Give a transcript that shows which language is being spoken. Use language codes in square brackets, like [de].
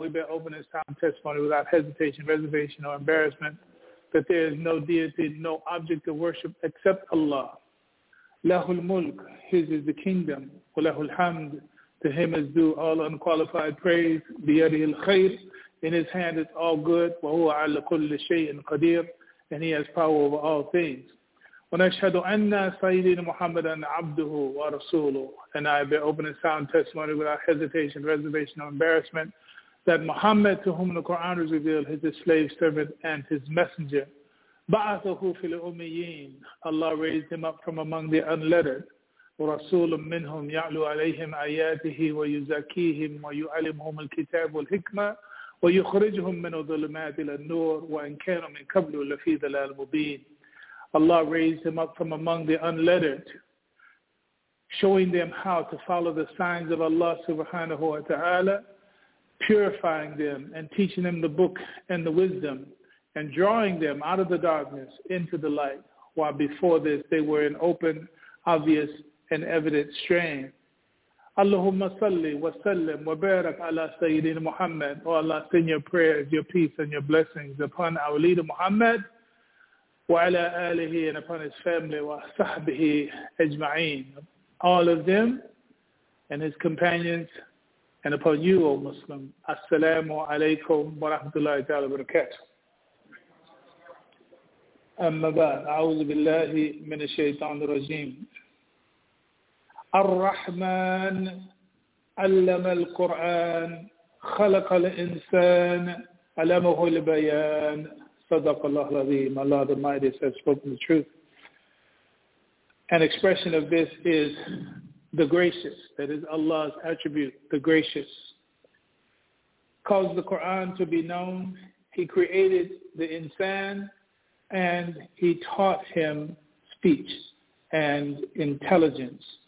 [en] We bear open and sound testimony without hesitation, reservation, or embarrassment that there is no deity, no object of worship except Allah. [ar] له الملك. [en] His is the kingdom. [ar] وله الحمد. [en] To him is due all unqualified praise. [ar] بيده الخير. [en] In his hand is all good. [ar] وهو على كل شيء قدير. [en] And he has power over all things. [ar] ونشهد أن سيدنا محمدا عبده ورسوله. [en] And I bear open and sound testimony without hesitation, reservation, or embarrassment that Muhammad, to whom the Quran is revealed, is his slave servant and his messenger. [ar] بعثه في الأميين. [en] Allah raised him up from among the unlettered. [ar] ورسول منهم يعلو عليهم آياته ويزكيهم ويعلمهم الكتاب والحكمة ويخرجهم من الظلمات إلى النور وإن كانوا من قبل لفي ضلال مبين. [en] Allah raised him up from among the unlettered, showing them how to follow the signs of Allah subhanahu wa ta'ala, purifying them and teaching them the book and the wisdom and drawing them out of the darkness into the light, while before this they were in open, obvious, and evident strain. [ar] Allahumma salli wa sallim wa barak ala Sayyidina Muhammad. [en] O Allah, send your prayers, your peace, and your blessings upon our leader Muhammad, [ar] وعلى آله [en] and upon his family [ar] وصحبه أجمعين [en] all of them and his companions and upon you, O Muslim. [ar] Assalamu alaikum wa rahmatullahi ta'ala wa barakatuh. أما بعد أعوذ بالله من الشيطان الرجيم. الرحمن علم القرآن خلق الإنسان علمه البيان صدق الله العظيم. [en] Allah the Mighty has spoken the truth. An expression of this is the gracious, that is Allah's attribute, the gracious. Caused the Quran to be known, he created the insan and he taught him speech and intelligence.